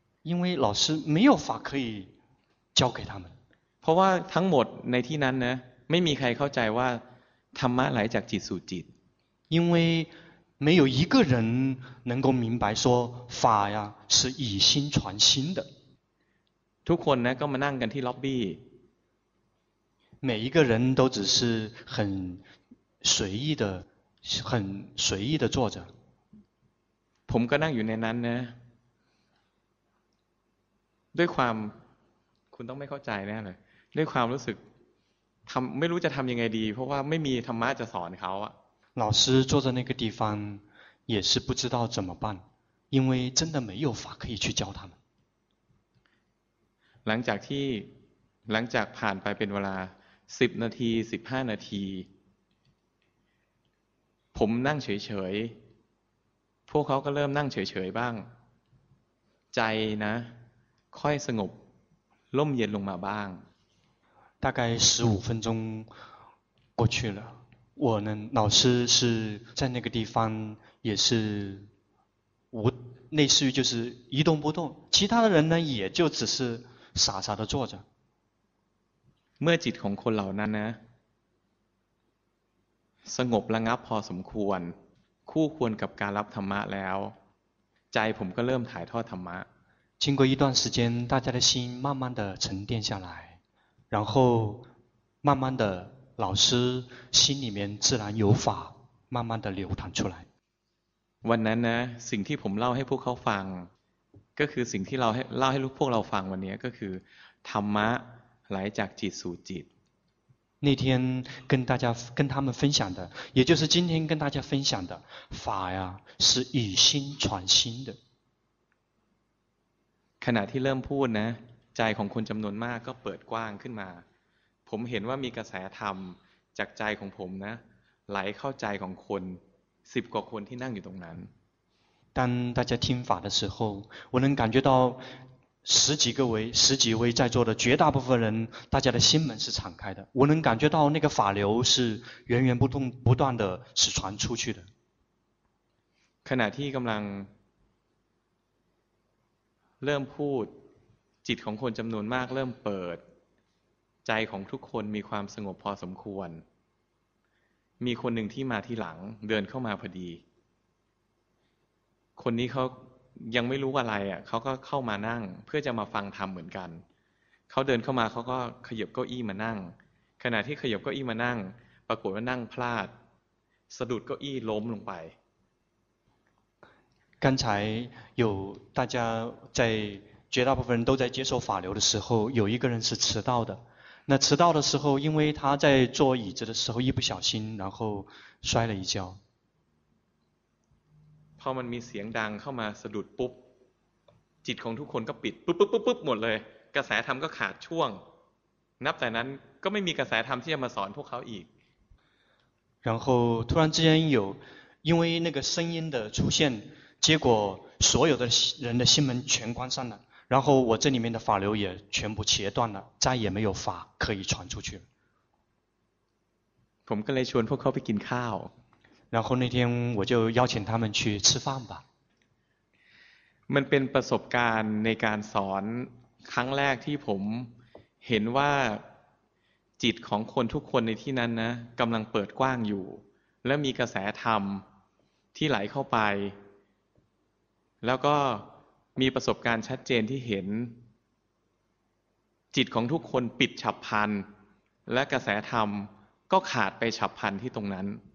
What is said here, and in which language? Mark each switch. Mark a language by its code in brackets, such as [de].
[zh] 因为老师没有法可以教给他们 [th] เพราะว่าทั้งหมดในที่นั้นนะไม่มีใครเข้าใจว่าธรรมะไหลจากจิตสู่จิต [zh] 因为没有一个人能够明白说法呀是以心传心的 [th] ทุกคนนะก็มานั่งกันที่ล็อบบี้ [zh] 每一个人都只是很随意的很随意的坐着 [th] ผมก็นั่งอยู่ในนั้นนะด้วยความคุณต้องไม่เข้าใจแน่เลยด้วยความรู้สึกทำไม่รู้จะทำยังไงดีเพราะว่าไม่มีธรรมะจะสอนเขาอะ [zh] 老师坐在那个地方也是不知道怎么办因为真的没有法可以去教他们 [th] หลังจากที่หลังจากผ่านไปเป็นเวลา10นาที15นาทีผมนั่งเฉยๆพวกเขาก็เริ่มนั่งเฉยๆบ้างใจนะค่อยสงบล่มเย็นลงมาบ้าง [zh] 大概15分钟过去了我呢老师是在那个地方也是无类似于就是一动不动其他的人呢也就只是傻傻的坐着 [th] เมื่อจิตของคนเหล่านั้นนะสงบระงับพอสมควรคู่ควรกับการรับธรรมะแล้วใจผมก็เริ่มถ่ายทอดธรรมะ [zh] 经过一段时间大家的心慢慢的沉淀下来然后慢慢的老师心里面自然有法慢慢的流淌出来 [th] วันนั้นนะสิ่งที่ผมเล่าให้พวกเขาฟังก็คือสิ่งที่เล่าให้พวกเราฟังวันนี้ก็คือธรรมะไหลจากจิตสู่จิต [zh] 那天跟他们分享的也就是今天跟大家分享的法呀是以心传心的 [th] ขณะที่เริ่มพูดนะใจของคนจำนวนมากก็เปิดกว้างขึ้นมาผมเห็นว่ามีกระแสธรรมจากใจของผมนะไหลเข้าใจของคน10กว่าคนที่นั่งอยู่ตรงนั้น [zh] 当大家听法的时候我能感觉到十几位在座的绝大部分人大家的心门是敞开的我能感觉到那个法流是源源不动不断的是传出去的 [th] ขณะที่กำลังเริ่มพูดจิตของคนจำนวนมากเริ่มเปิดใจของทุกคนมีความสงบพอสมควรมีคนหนึ่งที่มาที่หลังเดินเข้ามาพอดีคนนี้เขายังไม่รู้อะไรอ่ะเขาก็เข้ามานั่งเพื่อจะมาฟังธรรมเหมือนกันเขาเดินเข้ามาเขาก็ขยับเก้าอี้มานั่งขณะที่ขยับเก้าอี้มานั่งปรากฏว่านั่งพลาดสะดุดเก้าอี้ล้มลงไป [zh] 刚才有大家在绝大部分人都在接受法流的时候有一个人是迟到的那迟到的时候因为他在坐椅子的时候一不小心然后摔了一跤 [th] พอมันมีเสียงดังเข้ามาสะดุดปุ๊บจิตของทุกคนก็ปิดปุ๊บปุ๊บปุ๊บปุ๊บหมดเลยกระแสธรรมก็ขาดช่วงนับแต่นั้นก็ไม่มีกระแสธรรมที่จะมาสอนพวกเขาอีก [zh] 然后突然之间有因为那个声音的出现结果所有的人的心门全关上了然后我这里面的法流也全部切断了再也没有法可以传出去 [th] ผมก็เลยชวนพวกเขาไปกินข้าว [zh] 然后那天我就邀请他们去吃饭吧 [th] มันเป็นประสบการณ์ในการสอนครั้งแรกที่ผมเห็นว่าจิตของคนทุกคนในที่นั้นนะกำลังเปิดกว้างอยู่และมีกระแสธรรมที่ไหลเข้าไปแล้วก็มีประสบการณ์ชัดเจนที่เห็นจิตของทุกคนปิดฉับพลันและกระแสธรรมก็ขาดไปฉับพลันที่ตรงนั้น